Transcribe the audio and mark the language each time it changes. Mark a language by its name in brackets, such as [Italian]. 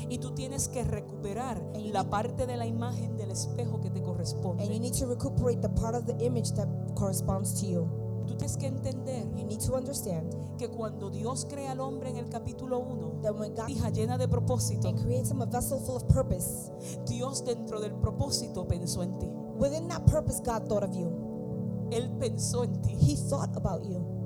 [Spanish] Y tú tienes que recuperar la parte de la imagen del espejo que te corresponde. [English] And you need to recuperate the part of the image that corresponds to you. [Spanish] Tú tienes que entender, [English] you need to understand, [Spanish] que cuando Dios crea al hombre en el capítulo 1, hija llena de propósito, [English] creates him a vessel full of purpose. [Spanish] Dios dentro del propósito pensó en ti. [English] Within that purpose, God thought of you. [Spanish] Él pensó en ti. [English] He thought about you.